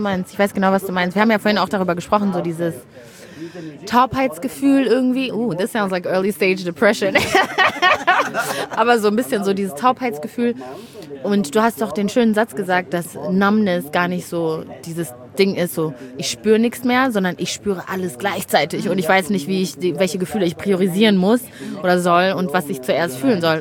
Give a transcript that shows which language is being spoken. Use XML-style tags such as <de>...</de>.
<de>Ich weiß genau, was du meinst. Wir haben ja vorhin auch darüber gesprochen, so dieses Taubheitsgefühl irgendwie.</de> <en>This sounds like early stage depression.</en> <de>Aber so ein bisschen so dieses Taubheitsgefühl. Und du hast doch den schönen Satz gesagt, dass Numbness gar nicht so dieses Ding ist, so ich spüre nichts mehr, sondern ich spüre alles gleichzeitig und ich weiß nicht, welche Gefühle ich priorisieren muss oder soll und was ich zuerst fühlen soll.</de>